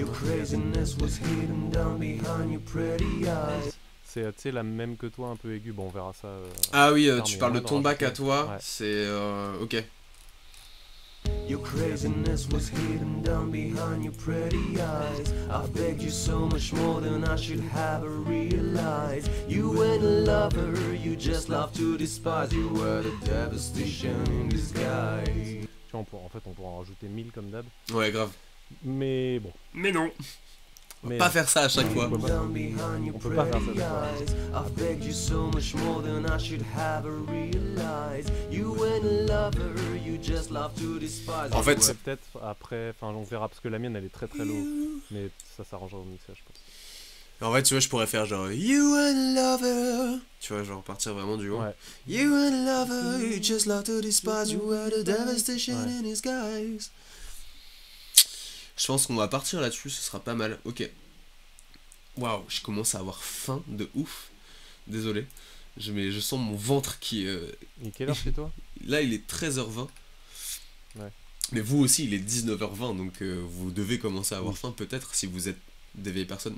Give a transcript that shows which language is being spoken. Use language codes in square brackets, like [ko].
[en] Your craziness was hidden down behind your pretty eyes. [fr] C'est, tu sais, la même que toi, un peu aiguë. Bon, on verra ça. Ah oui, tu parles de ton bac à toi. Ouais. C'est ok. [en] Your craziness was hidden down behind your pretty eyes. I begged you so much more than I should have realized. You were a lover, you just love to despise. You were the devastation in disguise. [fr] Tu vois, on pourrait en rajouter 1000 comme d'hab. Ouais, grave. Mais bon. Mais non. Mais pas faire ça à chaque fois. On peut pas faire ça. [en] I begged you so much more than I should have realized. You were a lover, you just love to despise. [fr] En fait, peut-être après, enfin, on verra parce que la mienne elle est très très low, mais ça s'arrangera au mixage, je pense. En vrai, tu vois, je pourrais faire genre [en] You and lover. [fr] Tu vois, genre partir vraiment du haut. Ouais. [en] You and lover, you just love to despise. You are the devastation in disguise. [fr] Je pense qu'on va partir là-dessus, ce sera pas mal. Ok. Waouh, je commence à avoir faim de ouf. Désolé. Je sens mon ventre qui. Et quelle heure chez toi? Là, il est 13h20. Ouais. Mais vous aussi, il est 19h20, donc vous devez commencer à avoir faim, peut-être, si vous êtes des vieilles personnes.